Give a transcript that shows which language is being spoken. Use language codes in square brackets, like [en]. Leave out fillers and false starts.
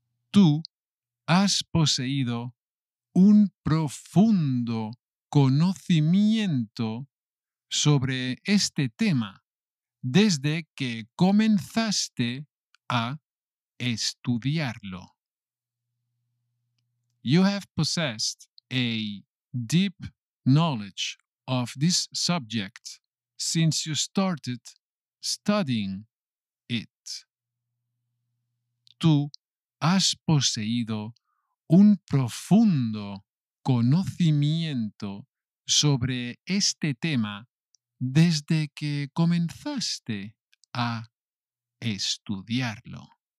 [es] Tú has poseído un profundo conocimiento sobre este tema desde que comenzaste a estudiarlo. [en] You have possessed a deep knowledge of this subject since you started studying it. [es] Tú has poseído un profundo conocimiento sobre este tema desde que comenzaste a estudiarlo.